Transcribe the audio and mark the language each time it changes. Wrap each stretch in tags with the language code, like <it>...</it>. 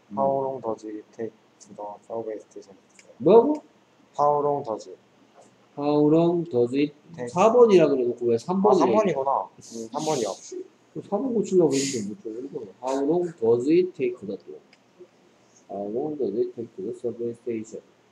<en>How long does it take the subway station?</en> <ko>뭐고?</ko> <en>How long does it? How long does it?</en> <ko>4번이라 그래놓고 왜 3번이래? 아, 3번이구나. 3번이요. 4번 고치려고 했는데 못 찾아.</ko> <en>How long does it take the train? How long does it take the subway station?</en>